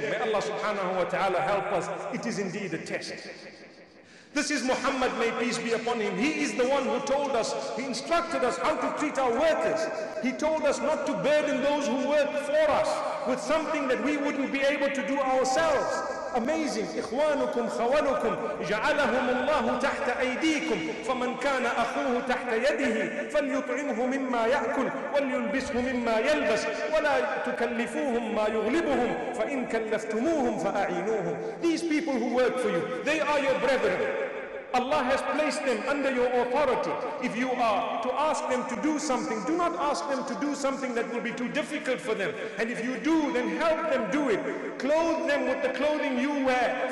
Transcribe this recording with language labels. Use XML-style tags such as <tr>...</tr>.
<en>May Allah subhanahu wa ta'ala help us. It is indeed a test. This is Muhammad, may peace be upon him. He is the one who told us, he instructed us how to treat our workers. He told us not to burden those who work for us with something that we wouldn't be able to do ourselves. Amazing.</en> <ar>إخوانكم خوانكم جعلهم الله تحت أيديكم فمن كان أخوه تحت يده فليطعمه مما يأكل وليلبسه مما يلبس ولا تكلفوهم ما يغلبهم فإن كلفتموهم فأعينوهم.</ar> <en>These people who work for you, they are your brethren. Allah has placed them under your authority. If you are to ask them to do something, do not ask them to do something that will be too difficult for them. And if you do, then help them do it. Clothe them with the clothing you wear.</en>